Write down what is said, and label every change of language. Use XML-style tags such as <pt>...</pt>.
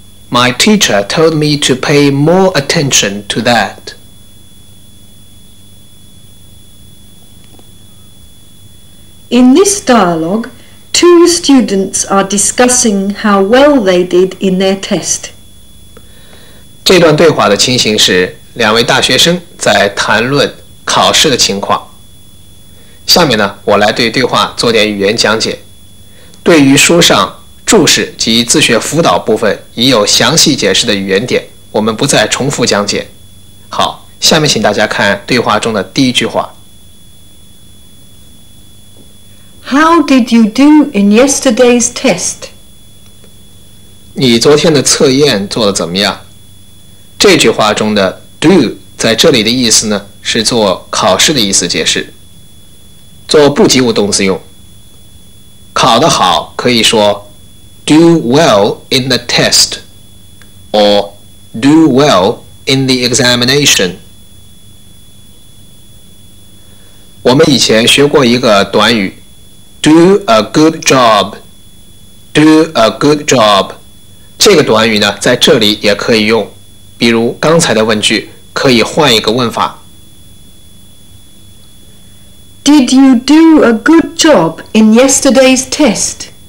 <en>My teacher told me to pay more attention to that. In this dialogue, 2 students are discussing how well they did in their test.</en> <zh>这段对话的情形是两位大学生在谈论考试的情况。下面呢，我来对对话做点语言讲解。对于书上注释及自学辅导部分已有详细解释的语言点，我们不再重复讲解。好，下面请大家看对话中的第一句话。</zh> <en>How did you do in yesterday's test?</en> <zh>你昨天的测验做得怎么样？这句话中的 do 在这里的意思呢，是做考试的意思解释。做不及物动词用。考得好可以说</zh> <en>do well in the test or do well in the examination.</en> <zh>我们以前学过一个短语</zh> <en>Do a good job. Do a good job.</en> <zh>这个短语呢，在这里也可以用。比如刚才的问句，可以换一个问法。</zh> <en>Did you do a good job in yesterday's test?</en>